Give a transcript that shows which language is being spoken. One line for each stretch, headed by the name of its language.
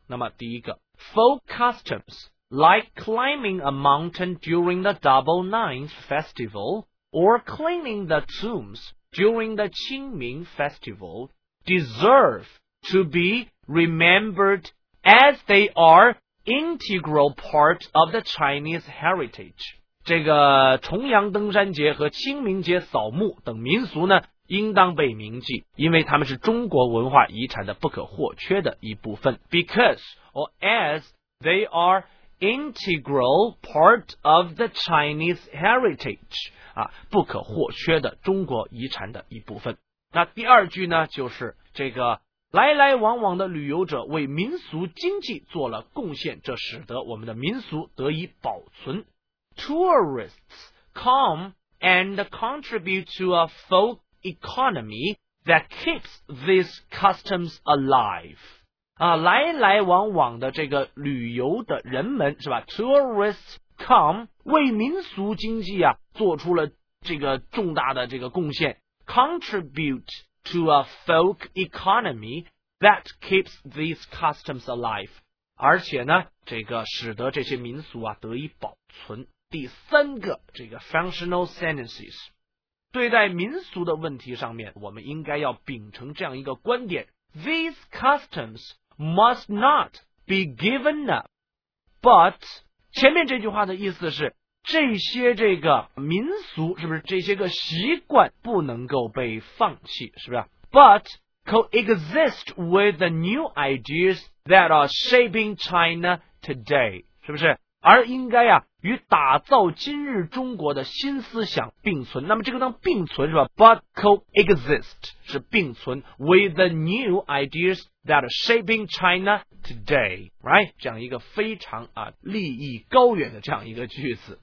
Chinese: 那么第一个，
English: folk customs like climbing a mountain during the Double Ninth Festival or cleaning the tombs during the Qingming Festival deserve to be remembered as they areIntegral part of the Chinese heritage.
Chinese: 这个重阳登山节和清明节扫墓等民俗呢，应当被铭记，因为他们是中国文化遗产的不可或缺的一部分。
English: Because or as they are integral part of the Chinese heritage.
Chinese: 啊，不可或缺的中国遗产的一部分。那第二句呢，就是这个来来往往的旅游者为民俗经济做了贡献，这使得我们的民俗得以保存。
English: Tourists come and contribute to a folk economy that keeps these customs alive.
Chinese: 啊，来来往往的这个旅游的人们，是吧？
English: Tourists come
Chinese: 为民俗经济啊做出了这个重大的这个贡献。
English: Contribute. To a folk economy that keeps these customs alive.
Chinese: 而且呢，这个使得这些民俗啊得以保存。第三个，这个 functional sentences. 对待民俗的问题上面，我们应该要秉承这样一个观点。
English: These customs must not be given up.
Chinese: But, 前面这句话的意思是，这些这个民俗，是不是这些个习惯不能够被放弃，是不是？
English: But coexist with the new ideas that are shaping China today,
Chinese: 是不是？而应该啊与打造今日中国的新思想并存。那么这个当并存是吧
English: ？But coexist
Chinese: 是并存
English: with the new ideas that are shaping China today, right?
Chinese: 这样一个非常啊利益高远的这样一个句子。